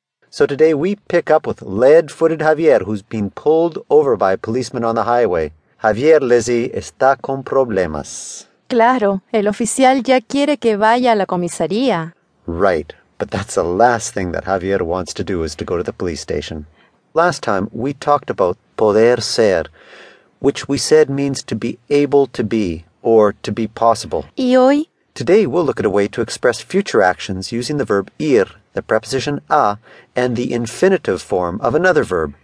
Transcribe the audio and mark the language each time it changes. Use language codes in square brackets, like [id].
[en] So today we pick up with lead-footed Javier, who's been pulled over by a policeman on the highway. [es] Javier, Lizzie, está con problemas. Claro, el oficial ya quiere que vaya a la comisaría. [en] Right, but that's the last thing that Javier wants to do is to go to the police station. Last time we talked about poder ser, which we said means to be able to be or to be possible. [es] ¿Y hoy? [en] Today we'll look at a way to express future actions using the verb ir, the preposition a, and the infinitive form of another verb.